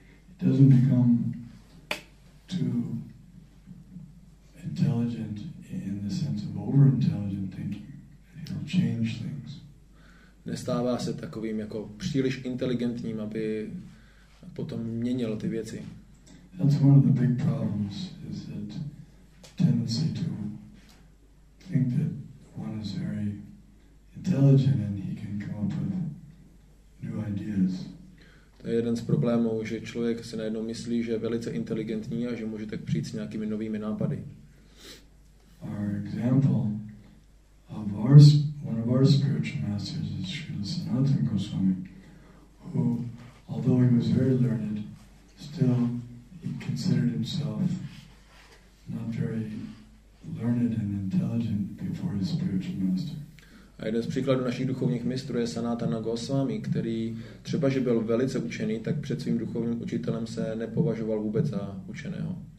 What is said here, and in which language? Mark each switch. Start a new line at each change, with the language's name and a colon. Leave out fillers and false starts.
English: It doesn't become too intelligent in the sense of over-intelligent thinking. It'll change things.
Czech: Nestává se takovým jako příliš inteligentním, aby potom měnil ty věci.
English: That's one of the big problems, is that tendency to think that one is very intelligent and he can come up with new ideas.
Czech: To je jeden z problémů, že člověk si najednou myslí, že je velice inteligentní a že může tak přijít s nějakými novými nápady.
English: Our example of our, one of our spiritual masters is Srila Sanatana Goswami, who, although he was very learned, still he considered himself not very learned and intelligent before his spiritual master.
Czech: A jeden z příkladů našich duchovních mistrů je Sanatana Goswami, který třeba, že byl velice učený, tak před svým duchovním učitelem se nepovažoval vůbec za učeného.